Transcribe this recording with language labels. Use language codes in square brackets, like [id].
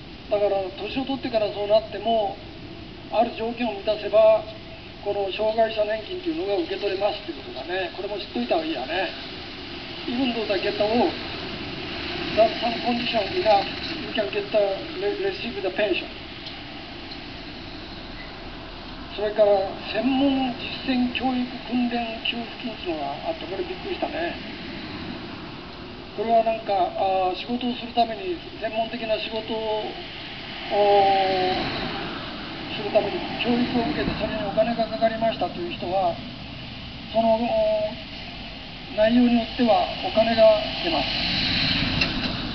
[ja] だから年を取ってからそうなってもある条件を満たせばこの障害者年金というのが受け取れますということだね。これも知っといた方がいいやね。 [en] Even though the get old that some condition we have you can get the receive the pension。 [ja] それから専門実践教育訓練給付金というのがあって、これびっくりしたね。これはなんか仕事をするために専門的な仕事をするために教育を受けてそれにお金がかかりましたという人はその内容によってはお金が出ます。